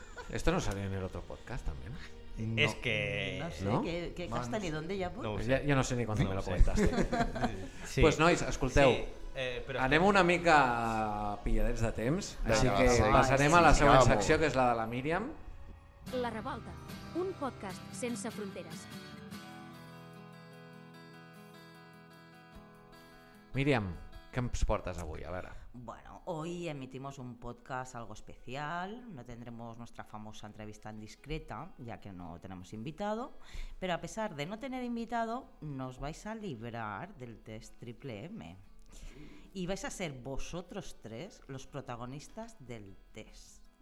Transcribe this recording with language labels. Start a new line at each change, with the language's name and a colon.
Spanish: Esto no salió en el otro podcast, también. No. Es que... No sé, ¿no? ¿Qué casta ni dónde ya? No, yo no sé ni cuándo no me lo comentaste.
Catalan: Sí. Pues, nois, escolteu. Sí. Però anem una mica pilladets de temps, així que passarem a la següent secció, que és la de la Míriam. La Revolta, un podcast sense fronteres. Míriam, què ens portes avui? A veure.
Spanish: Bueno, hoy emitimos un podcast algo especial. No tendremos nuestra famosa entrevista en discreta, ya que no tenemos invitado. Pero a pesar de no tener invitado, nos vais a librar del test triple M. Y vais a ser vosotros tres los protagonistas del test.